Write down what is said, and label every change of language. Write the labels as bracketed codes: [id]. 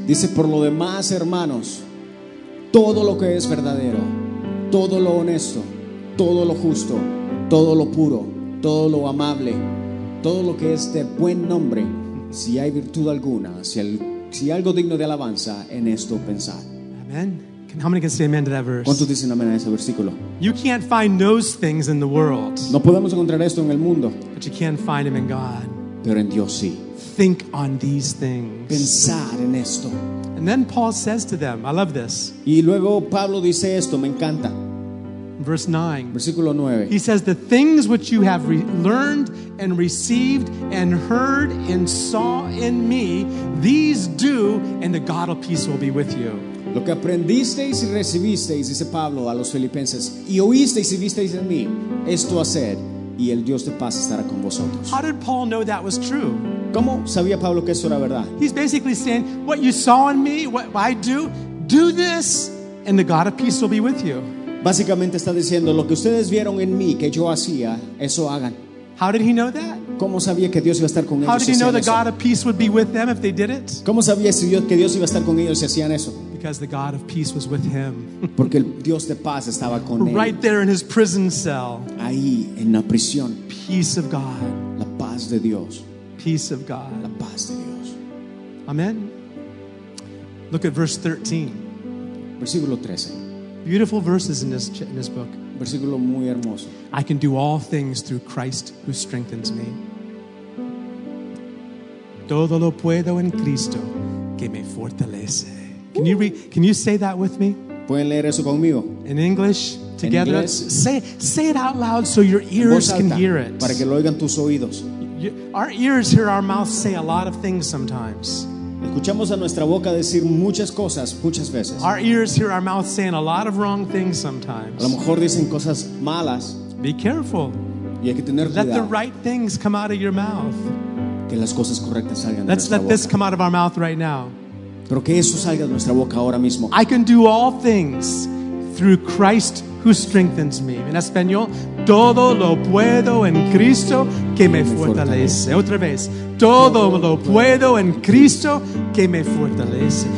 [es] Dice, por lo demás, hermanos, todo lo que es verdadero, todo lo honesto, todo lo justo, todo lo puro, todo lo amable, todo lo que es de buen nombre, si hay virtud alguna, si algo digno de alabanza, en esto pensad. [en] Amen. How many can say amen to that verse? [es] ¿Cuántos dicen amén a ese versículo? [en] You can't find those things in the world. [es] No podemos encontrar esto en el mundo. [en] But you can find them in God. [es] Pero en Dios sí. [en] Think on these things. [es] Pensar en esto. [en] And then Paul says to them, I love this. [es] Y luego Pablo dice esto, me encanta. [en] Verse 9. [es] Versículo 9. [en] He says, the things which you have learned and received and heard and saw in me, these do, and the God of peace will be with you. [es] Lo que aprendisteis y recibisteis, dice Pablo a los filipenses, y oísteis y visteis en mí, esto haced, y el Dios de paz estará con vosotros. [en] How did Paul know that was true? [es] ¿Cómo sabía Pablo que eso era verdad? [en] He's basically saying, what you saw in me, what I do, do this, and the God of peace will be with you. [es] Básicamente está diciendo, lo que ustedes vieron en mí, que yo hacía, eso hagan. [en] How did he know that? [es] ¿Cómo sabía que Dios iba a estar con ellos? [en] How did he know the God of peace would be with them if they did it? [es] ¿Cómo sabía que Dios iba a estar con ellos si hacían eso? [en] Because the God of peace was with him. [es] Porque el Dios de paz estaba con él. [en] Right there in his prison cell. [es] Ahí en la prisión. [en] Peace of God. [es] La paz de Dios. [en] Peace of God. [es] La paz de Dios. [en] Amen. Look at verse 13. [es] Versículo 13. [en] Beautiful verses in this book. [es] Versículo muy hermoso. [en] I can do all things through Christ who strengthens me. [es] Todo lo puedo en Cristo que me fortalece. [en] Can you say that with me? [es] ¿Pueden leer eso conmigo? [en] In English, together. [es] ¿En inglés? [en] Say it out loud so your ears can hear it. [es] Para que lo oigan tus oídos. [en] Our ears hear our mouth say a lot of things sometimes. [es] Escuchamos a nuestra boca decir muchas cosas muchas veces. [en] Our ears hear our mouth saying a lot of wrong things sometimes. [es] A lo mejor dicen cosas malas. [en] Be careful. [es] Y hay que tener cuidado. [en] Let the right things come out of your mouth. [es] Que las cosas correctas salgan de nuestra boca. [en] Let's let this come out of our mouth right now. [es] Pero que eso salga de nuestra boca ahora mismo. [en] I can do all things through Christ who strengthens me. [es] En español, todo lo puedo en Cristo que me fortalece. Otra vez, todo lo puedo en Cristo que me fortalece.